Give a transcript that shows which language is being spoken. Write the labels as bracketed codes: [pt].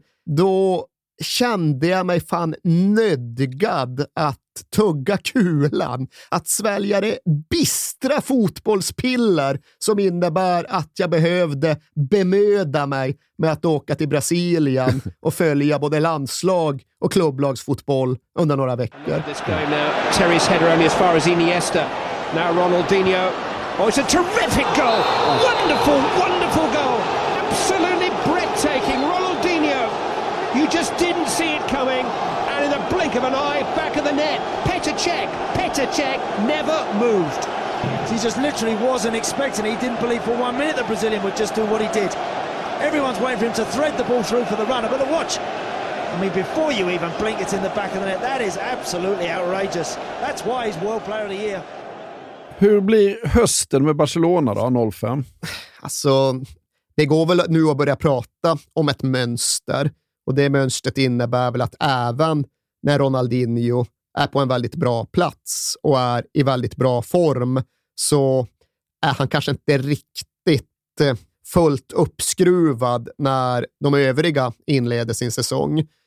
[sv] då kände jag mig fan nödgad att tugga kulan, att svälja det bistra fotbollspiller som innebär att jag behövde bemöda mig med att åka till Brasilien och följa både landslag och klubblagsfotboll under några veckor. [en] Terry's header only as far as Iniesta. Now Ronaldinho. Oh, it's a terrific goal. Wonderful, wonderful goal. Absolutely breathtaking. Ronaldinho. You just didn't see it coming. And in the blink of an eye, back of the net. Petr Cech never moved. He just literally wasn't expecting it. He didn't believe for one minute the Brazilian would just do what he did. Everyone's waiting for him to thread the ball through for the runner. But the watch, I mean, before you even blink, it's in the back of the net. That is absolutely outrageous. That's why he's World Player of the Year. [sv] Hur blir hösten med Barcelona då, 05? Alltså, det går väl nu att börja prata om ett mönster. Och det mönstret innebär väl att även när Ronaldinho är på en väldigt bra plats och är i väldigt bra form, så är han kanske inte riktigt fullt uppskruvad när de övriga inleder sin säsong.